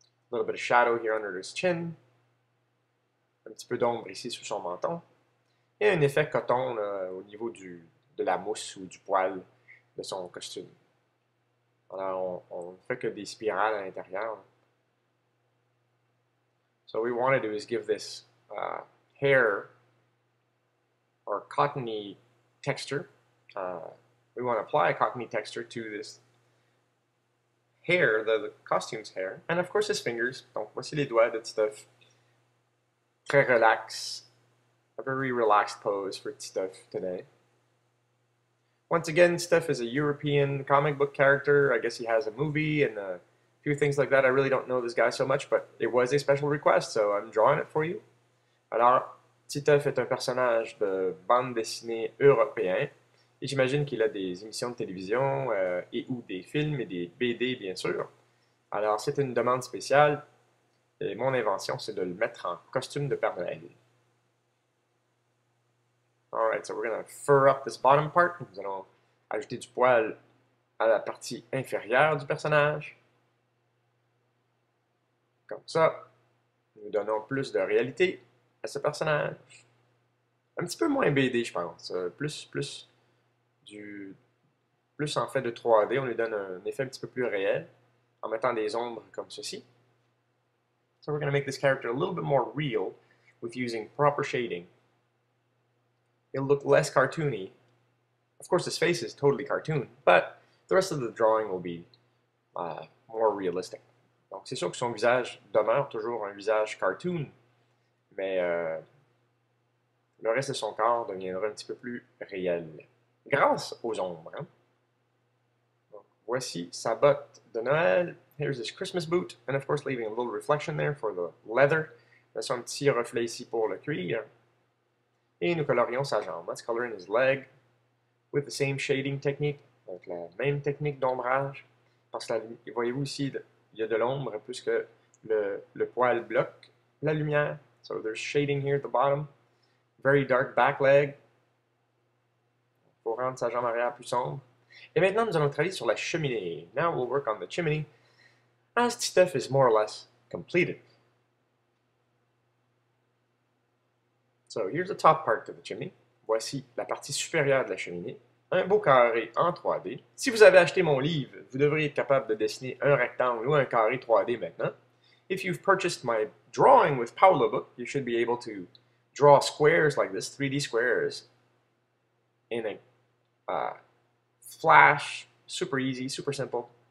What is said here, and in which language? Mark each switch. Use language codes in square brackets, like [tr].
[en] A little bit of shadow here under his chin. [fr] Un petit peu d'ombre ici sur son menton. Et un effet coton au niveau de la mousse ou du poil de son costume. Alors, on ne fait que des spirales à l'intérieur. [en] So what we want to do is give this hair or cottony texture. We want to apply a cottony texture to this hair, the costume's hair, and of course his fingers. [fr] Donc voici les doigts de Titeuf. Très relax. [en] A very relaxed pose for Titeuf today. Once again, Titeuf is a European comic book character. I guess he has a movie and a few things like that. I really don't know this guy so much, but it was a special request, so I'm drawing it for you. [fr] Alors, Titeuf est un personnage de bande dessinée européen et j'imagine qu'il a des émissions de télévision et ou des films et des BD, bien sûr. Alors, c'est une demande spéciale Et mon invention, c'est de le mettre en costume de Père Noël. [en] Alright, so we're gonna fur up this bottom part. [fr] Nous allons ajouter du poil à la partie inférieure du personnage. Comme ça, nous donnons plus de réalité à ce personnage. Un petit peu moins BD, je pense. Plus en fait de 3D, on lui donne un effet un petit peu plus réel en mettant des ombres comme ceci. [en] So we're going to make this character a little bit more real with using proper shading. It'll look less cartoony. Of course, his face is totally cartoon, but the rest of the drawing will be more realistic. [fr] Donc, c'est sûr que son visage demeure toujours un visage cartoon, mais le reste de son corps deviendra un petit peu plus réel grâce aux ombres. Hein? Donc, voici sa botte de Noël. [en] Here's his Christmas boot, and of course, leaving a little reflection there for the leather. [fr] Laissons un petit reflet ici pour le cuir. Et nous colorions sa jambe. [en] Let's color in his leg with the same shading technique, [fr] avec la même technique d'ombrage. Parce que voyez-vous ici, il y a de l'ombre plus que le poil bloque la lumière. [en] So there's shading here at the bottom. Very dark back leg. [fr] Pour rendre sa jambe arrière plus sombre. Et maintenant, nous allons travailler sur la cheminée. [en] Now we'll work on the chimney. As Titeuf is more or less completed. So here's the top part of the chimney. [fr] Voici la partie supérieure de la cheminée. Un beau carré en 3D. Si vous avez acheté mon livre, vous devriez être capable de dessiner un rectangle ou un carré 3D maintenant. [en] If you've purchased my drawing with Paolo book, you should be able to draw squares like this, 3D squares, in a flash, super easy, super simple.